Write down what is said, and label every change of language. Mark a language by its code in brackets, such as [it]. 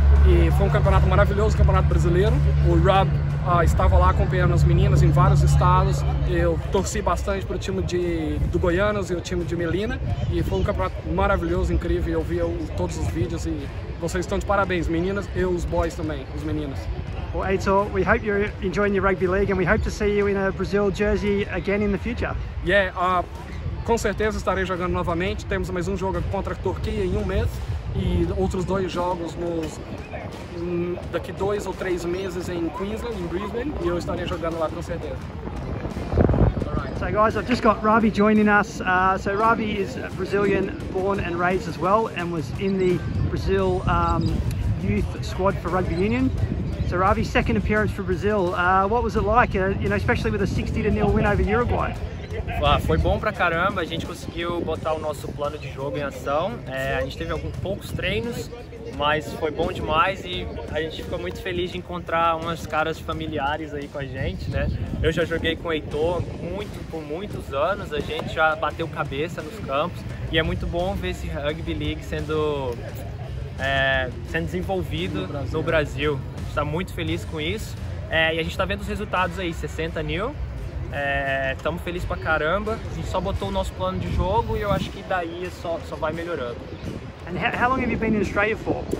[pt] E foi um campeonato maravilhoso, campeonato brasileiro. O Rub estava lá acompanhando as meninas em vários estados. Eu torci bastante para o time do Goianos e o time de Melina. E foi um campeonato maravilhoso, incrível. Eu vi todos os vídeos e vocês estão de parabéns, meninas e os boys também, os meninos. [en] Well, Eitor, we hope you're enjoying your rugby league and we hope to see you in a Brazil jersey again in the future. [pt] Yeah, com certeza estarei jogando novamente. Temos mais um jogo contra a Turquia em um mês. E outros dois jogos daqui [en] 2 or 3 months in Queensland, in Brisbane, [pt] e eu estarei jogando lá com certeza. [en] So guys, I've just got Ravi joining us. So Ravi is Brazilian, born and raised as well, and was in the Brazil youth squad for Rugby Union. So Ravi, second appearance for Brazil. What was it like, you know, especially with a 60-0 win over Uruguay? [pt] Foi bom pra caramba, a gente conseguiu botar o nosso plano de jogo em ação. A gente teve alguns poucos treinos, mas foi bom demais e a gente ficou muito feliz de encontrar umas caras familiares aí com a gente, né? Eu já joguei com o Eitor por muitos anos, a gente já bateu cabeça nos campos e é muito bom ver esse Rugby League sendo desenvolvido no Brasil. A gente está muito feliz com isso e a gente está vendo os resultados aí, 60-0. Estamos felizes pra caramba. A gente só botou o nosso plano de jogo e eu acho que daí só vai melhorando. [en] And how long have you been in Australia for?